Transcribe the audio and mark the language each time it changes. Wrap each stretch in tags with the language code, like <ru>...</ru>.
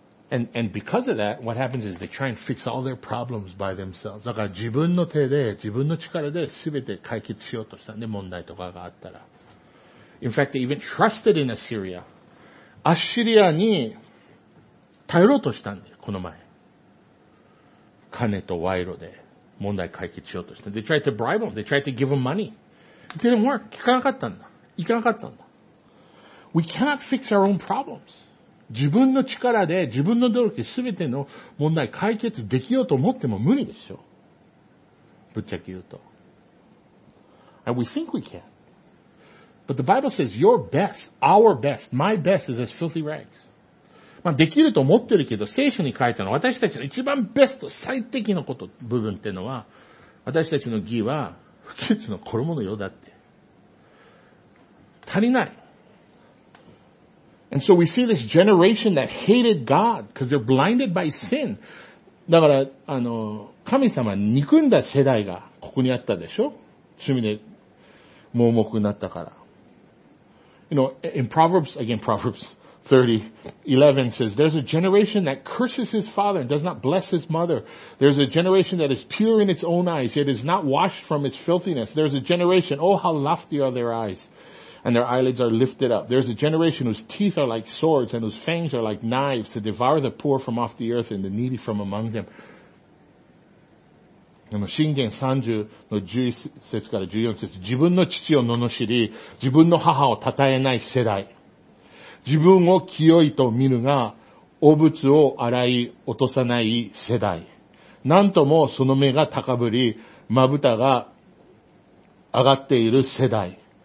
<en>And because of that, what happens is they try and fix all their problems by themselves.</en> <ja>だから自分の手で、自分の力で全て解決しようとしたんで、問題とかがあったら。</ja> <en>In fact, they even trusted in Assyria.</en> <ja>アッシリアに頼ろうとしたんで、この前。金と賄賂で問題解決しようとした。</ja> <en>They tried to bribe them. They tried to give them money. It didn't work.</en> <ja>効かなかったんだ。いかなかったんだ。</ja> <en>We cannot fix our own problems.</en> <ja>自分の力で、自分の努力で全ての問題解決できようと思っても無理ですよ。ぶっちゃけ言うと。</ja> <en>And we think we can. But the Bible says, your best, our best, my best is as filthy rags.</en> <ja>まあ、できると思ってるけど、聖書に書いたのは、私たちの一番ベスト、最適のこと、部分っていうのは、私たちの義は、不潔の衣のようだって。足りない。</ja> <en>And so we see this generation that hated God, because they're blinded by sin.</en> <ja>だから、神様憎んだ世代が、ここにあったでしょ? 罪で、盲目になったから。</ja> <en>You know, in Proverbs, again, Proverbs 30:11 says, there's a generation that curses his father and does not bless his mother. There's a generation that is pure in its own eyes, yet is not washed from its filthiness. There's a generation, oh, how lofty are their eyes, and their eyelids are lifted up. There's a generation whose teeth are like swords and whose fangs are like knives to devour the poor from off the earth and the needy from among them.</en> <ja>信玄30の11節から14節、自分の父を罵り、自分の母を称えない世代。自分を清いと見るが、汚物を洗い落とさない世代。なんともその目が高ぶり、まぶたが上がっている世代。</ja>